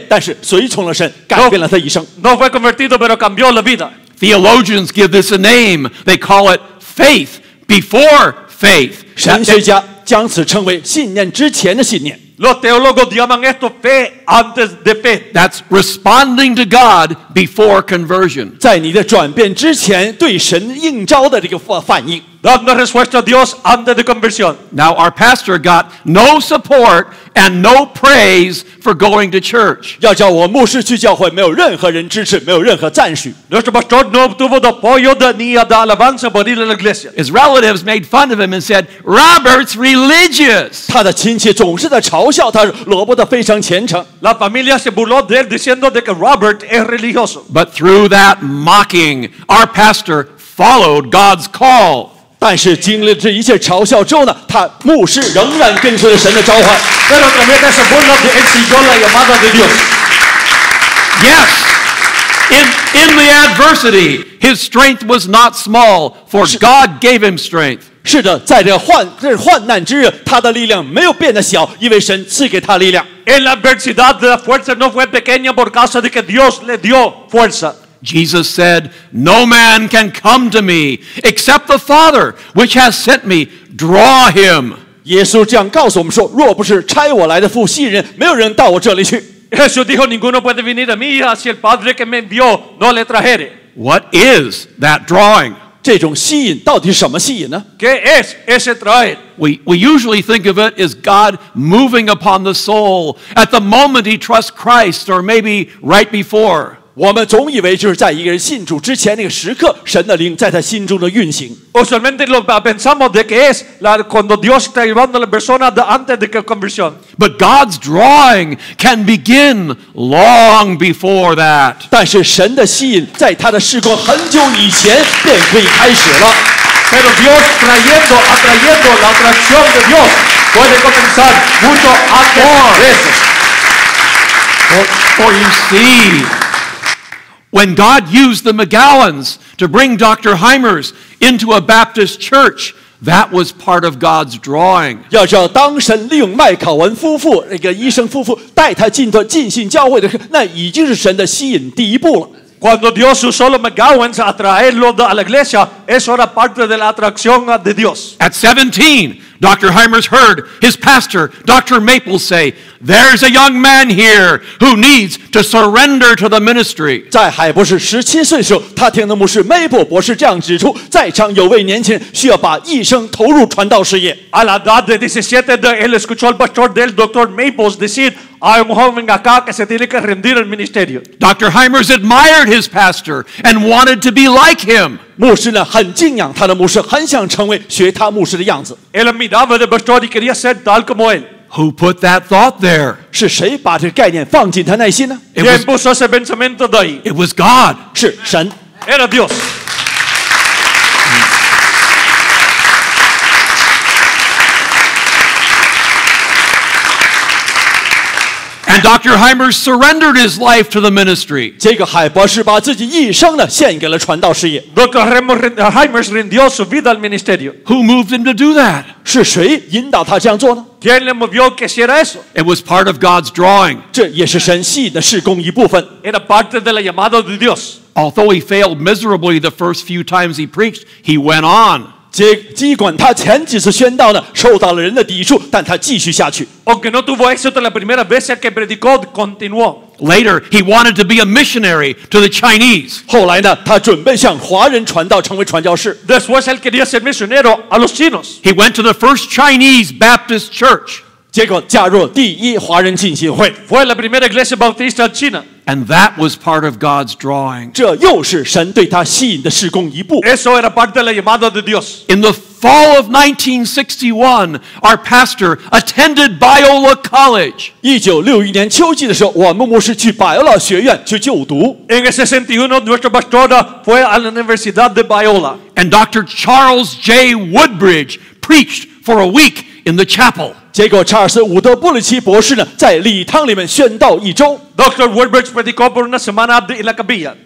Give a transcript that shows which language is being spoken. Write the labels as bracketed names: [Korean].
[Chinese] 结果海博士正是这样，仍然没有得到转变，但是随从了神，改变了他一生。 [Spanish] No fue convertido, pero cambió la vida. [English] Theologians give this a name. They call it faith before faith. [Chinese] 神学家将此称为信念之前的信念。 [Spanish] Los teólogos llaman esto fe antes de fe. [English] That's responding to God before conversion. [Chinese] 在你的转变之前，对神应召的这个反应。 [Spanish] Dando respuesta a Dios antes de conversión. [English] Now our pastor got no support and no praise for going to church. [Chinese] 要叫我牧师去教会，没有任何人支持，没有任何赞许。 [Spanish] Nuestro pastor no obtuvo de apoyo de ni de alabanza por ir a la iglesia. [English] His relatives made fun of him and said, "Robert's religious." [Chinese] 他的亲戚总是在嘲笑他，罗伯特非常虔诚。 [Spanish] La familia se burló de él diciendo de que Robert es religioso. [English] But through that mocking, our pastor followed God's call. [Chinese] 但是经历这一切嘲笑之后呢，他牧师仍然跟随着神的召唤。 [Spanish] Pero también te supongo que él siguió la llamada de Dios. [English] Yes, in the adversity, his strength was not small, for God gave him strength. [Chinese] 是的，在这患难之日，他的力量没有变得小，因为神赐给他力量。 [Spanish] En la adversidad, la fuerza no fue pequeña por causa de que Dios le dio fuerza. [English] Jesus said, No man can come to me except the Father which has sent me draw him. [Chinese] 耶稣这样告诉我们说，若不是差我来的父吸引人，没有人到我这里去。 [Spanish] Jesús dijo, Ninguno puede venir a mí si el Padre que me envió no le trajere. [English] What is that drawing? [Chinese] 这种吸引到底是什么吸引呢？ [Spanish] ¿Qué es ese traer? [English] We usually think of it as God moving upon the soul at the moment he trusts Christ or maybe right before. [Chinese] 我们总以为就是在一个人信主之前那个时刻，神的灵在他心中的运行。 [Spanish] O solamente lo pensamos de que es la cuando Dios está llevando la persona de antes de que conversión. [English] But God's drawing can begin long before that. [Chinese] 但是神的吸引在他的事工很久以前便可以开始了。 [Spanish] Pero Dios trayendo, atrayendo la atracción de Dios puede comenzar mucho antes. [English] For you see. When God used the McGowans to bring Dr. Hymers into a Baptist church, that was part of God's drawing. [Chinese] 要知道，当神利用麦考文夫妇那个医生夫妇带他进到浸信教会的，那已经是神的吸引第一步了。 [Spanish] Cuando Dios usó los McGowans a traerlo a la iglesia, eso era parte de la atracción de Dios. [English] At 17, Dr. Hymers heard his pastor, Dr. Maple, say, "There's a young man here who needs to surrender to the ministry." [Chinese] 在海博士17岁的时候，他听到牧师 Maple 博士这样指出，在场有位年轻人需要把一生投入传道事业。 [Spanish] A la edad de 17, él escuchó al pastor del Dr. Maple decir. [English] Dr. Hymers admired his pastor and wanted to be like him. [Chinese] 牧师呢很敬仰他的牧师，很想成为学他牧师的样子。 [Spanish] Él miraba al pastor y quería ser tal como él. [English] Who put that thought there? [Chinese] 是谁把这个概念放进他内心呢？ [Spanish] ¿Quién puso ese pensamiento ahí? [English] It was God. [Chinese] 是神。 [Spanish] Era Dios. [English] And Dr. Hymers surrendered his life to the ministry. [Chinese] 这个海博士把自己一生呢献给了传道事业。 [Spanish] Dr. Hymers rindió su vida al ministerio. [English] Who moved him to do that? [Chinese] 是谁引导他这样做呢？ [Spanish] ¿Quién le movió que hiciera eso? [English] It was part of God's drawing. [Chinese] 这也是神吸引的事工一部分。 [Spanish] Era parte de la llamada de Dios. [English] Although he failed miserably the first few times he preached, he went on. [Chinese] 尽管他前几次宣道呢受到了人的抵触，但他继续下去。 [Spanish] Aunque no tuvo éxito la primera vez que predicó, continuó. [English] Later, he wanted to be a missionary to the Chinese. [Chinese] 后来呢，他准备向华人传道，成为传教士。 [Spanish] Después él quería ser misionero a los chinos. [English] He went to the first Chinese Baptist church. [Chinese] 结果加入第一华人浸信会。 [Spanish] Fue la primera iglesia bautista china. [English] And that was part of God's drawing. [Chinese] 这又是神对他吸引的事工一步。 [Spanish] Eso era parte de la llamada de Dios. [English] In the fall of 1961, our pastor attended Biola College. [Chinese] 1961年秋季的时候，我们牧师去百奥拉学院去就读。 [Spanish] En el 61, nuestro pastor fue a la Universidad de Biola. [English] And Dr. Charles J. Woodbridge preached for a week in the chapel. [Chinese] 结果查尔斯伍德布里奇博士呢在礼堂里面宣道一周。 [Spanish] Dr. Woodbridge predicó por una semana en la capilla.